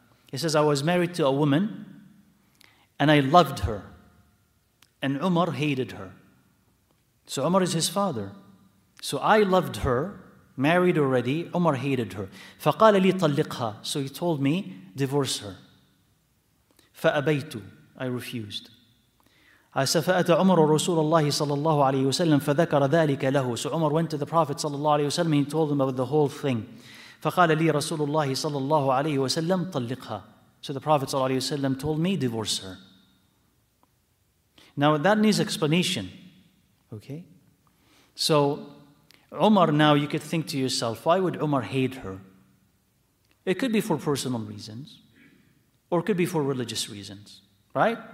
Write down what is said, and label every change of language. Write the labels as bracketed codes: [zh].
[en] He says, "I was married to a woman and I loved her, and Umar hated her." So Umar is his father. So I loved her, married already, Umar hated her. [ar] فَقَالَ لِي طَلِّقْهَا. [en] So he told me, divorce her. [ar] فَأَبَيْتُ. [en] I refused. [ar] فأتى عمر رسول الله صلى الله عليه وسلم فذكر ذلك له. [en] So Umar went to the Prophet [ar] صلى الله عليه وسلم [en] and he told him about the whole thing. [ar] فقال لي رسول الله صلى الله عليه وسلم طلقها. [en] So the Prophet [ar] صلى الله عليه وسلم [en] told me, divorce her. Now that needs explanation. Okay? So Umar, now you could think to yourself, why would Umar hate her? It could be for personal reasons, or it could be for religious reasons. Right?